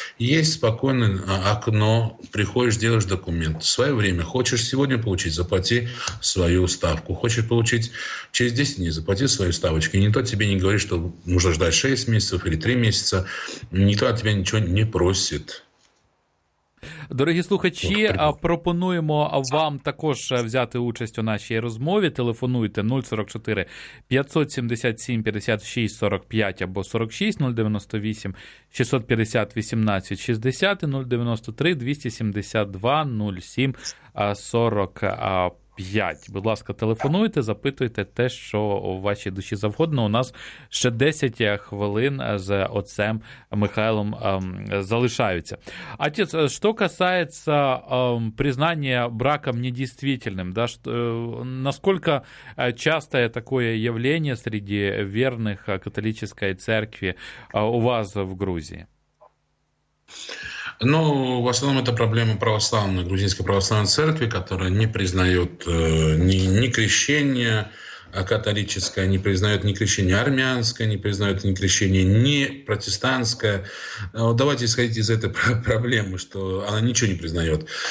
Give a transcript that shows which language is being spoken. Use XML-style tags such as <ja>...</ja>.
<ru>Есть спокойное окно, приходишь, делаешь документ. В свое время хочешь сегодня получить, заплати свою ставку. Хочешь получить через 10 дней, заплати свою ставочку. И никто тебе не говорит, что нужно ждать 6 месяцев или 3 месяца. Никто от тебя ничего не просит.</ru> <uk>Дорогі слухачі, пропонуємо вам також взяти участь у нашій розмові. Телефонуйте 044-577-56-45 або 46, 098-650-18-60 і 093-272-07-45. Будь ласка, телефонуйте, запитуйте те, що у вашій душі завгодно. У нас ще 10 хвилин з отцем Михайлом залишаються.</uk> <ru>Отец,</ru> <uk>що касається признання браком недійсвительним, да, наскільки часте таке явлення серед вірних католицької церкви у вас в Грузії?</uk> <ru>Ну, в основном это проблема православной, грузинской православной церкви, которая не признает ни крещение католическое, не признает ни крещение армянское, не признает ни крещение ни протестантское. Вот давайте исходить из этой проблемы, что она ничего не признает.</ru>